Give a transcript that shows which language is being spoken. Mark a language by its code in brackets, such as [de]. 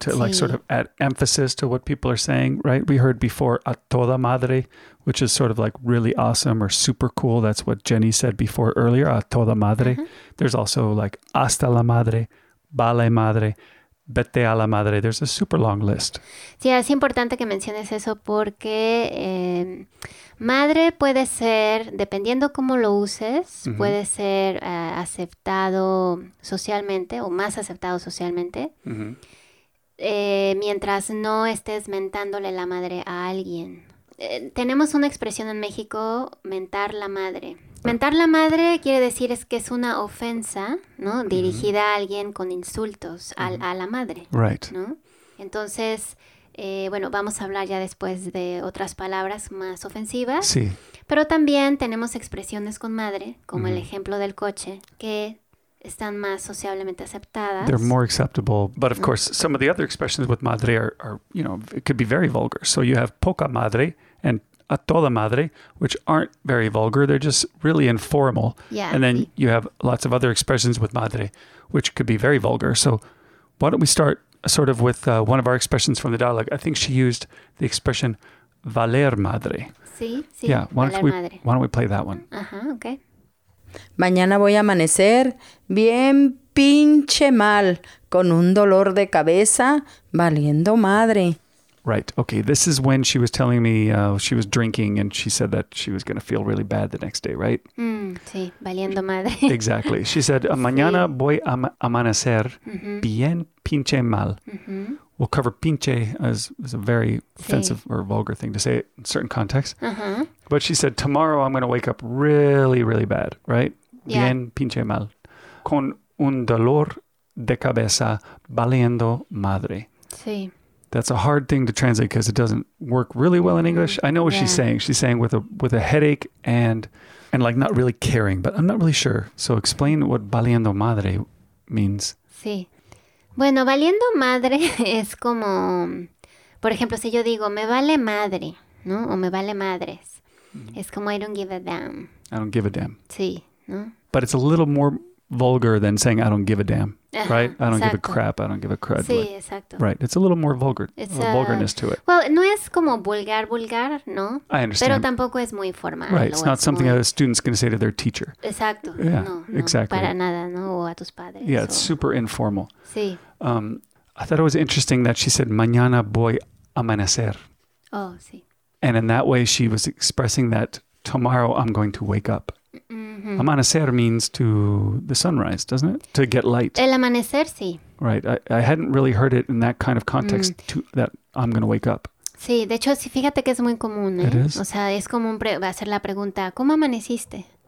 [en] To [es] sí. [en] like sort of add emphasis to what people are saying, right? We heard before a toda madre, which is sort of like really awesome or super cool. That's what Jenny said before earlier, a toda madre. There's also like hasta la madre, vale madre, [es] Vete a la madre. [en] There's a super long list. [es] Sí, es importante que menciones eso porque madre puede ser, dependiendo cómo lo uses, mm-hmm. puede ser aceptado socialmente o más aceptado socialmente. Mm-hmm. Mientras no estés mentándole la madre a alguien. Tenemos una expresión en México, mentar la madre. Mentar la madre quiere decir es que es una ofensa, ¿no? Dirigida mm-hmm. a alguien con insultos mm-hmm. a la madre. [en] Right. [es] ¿No? Entonces, bueno, vamos a hablar ya después de otras palabras más ofensivas. Sí. Pero también tenemos expresiones con madre, como mm-hmm. el ejemplo del coche, que están más sociablemente aceptadas. [en] They're more acceptable. But of course, some of the other expressions with madre are, you know, it could be very vulgar. So you have poca madre and a toda madre, which aren't very vulgar. They're just really informal. Yeah. And then you have lots of other expressions with madre, which could be very vulgar. So why don't we start sort of with one of our expressions from the dialogue. I think she used the expression valer madre. [es] Sí. [en] Yeah. Why don't we play that one? Okay. [es] Mañana voy a amanecer bien pinche mal con un dolor de cabeza valiendo madre. [en] Right. Okay. This is when she was telling me she was drinking and she said that she was going to feel really bad the next day, right? [es] Mm, sí. Valiendo madre. [en] Exactly. She said, mañana sí. [es] voy a amanecer [en] mm-hmm. [es] bien pinche mal. [en] Mm-hmm. We'll cover pinche as a very offensive sí. or vulgar thing to say in certain contexts. Uh-huh. But she said, tomorrow I'm going to wake up really, really bad, right? Yeah. [es] Bien pinche mal. Con un dolor de cabeza valiendo madre. Sí. [en] That's a hard thing to translate because it doesn't work really well in English. I know what she's saying. She's saying with a headache and like not really caring, but I'm not really sure. So explain what valiendo madre means. [es] Sí. Bueno, valiendo madre es como, por ejemplo, si yo digo, me vale madre, ¿no? O me vale madres. Mm-hmm. Es como, [en] I don't give a damn. I don't give a damn. [es] Sí, ¿no? [en] But it's a little more vulgar than saying, I don't give a damn. Right? I don't [es] exacto. [en] give a crap. I don't give a crud. [es] Sí, [en] like, [es] exacto. [en] Right. It's a little more vulgar. It's a vulgarness to it. [es] Well, no es como vulgar, vulgar, ¿no? [en] I understand. [es] Pero tampoco es muy formal. [en] Right. It's not something that a student's going to say to their teacher. [es] Exacto. [en] Yeah, [es] no, [en] exactly. [es] Para nada, ¿no? O a tus padres. [en] Yeah, it's super informal. [es] Sí. [en] I thought it was interesting that she said, [es] mañana voy a amanecer. Oh, sí. [en] And in that way, she was expressing that tomorrow I'm going to wake up. Mm-hmm. Amanecer means to the sunrise, doesn't it? To get light. [es] El amanecer, sí. [en] Right. I hadn't really heard it in that kind of context that I'm going to wake up. [es] Sí, de hecho, sí, fíjate que es muy común. [en] It is. [es] O sea, es común hacer la pregunta, ¿cómo amaneciste?